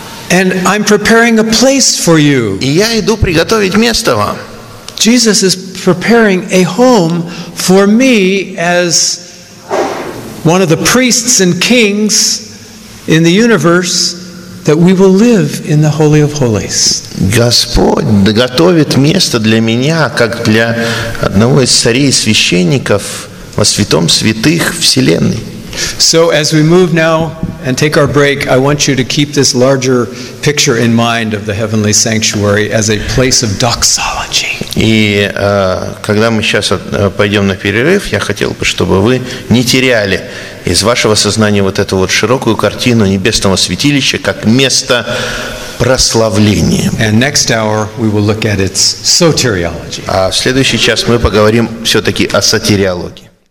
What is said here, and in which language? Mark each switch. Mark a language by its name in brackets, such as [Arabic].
[English] And I'm preparing a place for you. [Russian] И я иду приготовить место вам. [English] Jesus is preparing a home for me as one of the priests and kings in the universe that we will live in the Holy of Holies. [Russian] Господь готовит место для меня, как для одного из царей и священников во святом святых вселенной. [English] So as we move now and take our break, I want you to keep this larger picture in mind of the heavenly sanctuary as a place of doxology. [Russian] И когда мы сейчас пойдем на перерыв, я хотел бы, чтобы вы не теряли из вашего сознания вот эту вот широкую картину небесного святилища как место прославления. [English] And next hour we will look at its soteriology. [Russian] А в следующий час мы поговорим все-таки о сотериологии.